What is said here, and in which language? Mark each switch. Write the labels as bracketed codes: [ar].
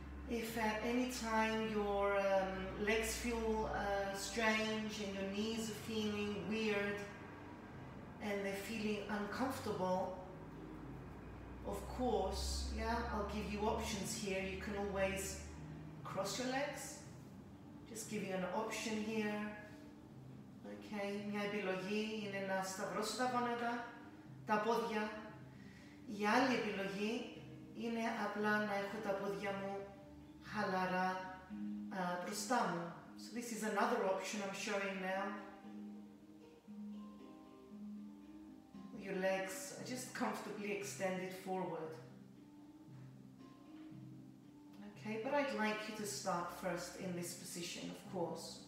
[en] if at any time your legs feel strange and your knees are feeling weird and they're feeling uncomfortable, of course, yeah, I'll give you options here. You can always cross your legs. Just give you an option here. [el] Okay, μια επιλογή είναι να σταυρώσω τα γόνατα, τα πόδια. Η άλλη επιλογή είναι απλά να έχω τα πόδια μου χαλαρά μπροστά μου. [en] So this is another option I'm showing now. Your legs are just comfortably extended forward. Okay, but I'd like you to start first in this position, of course.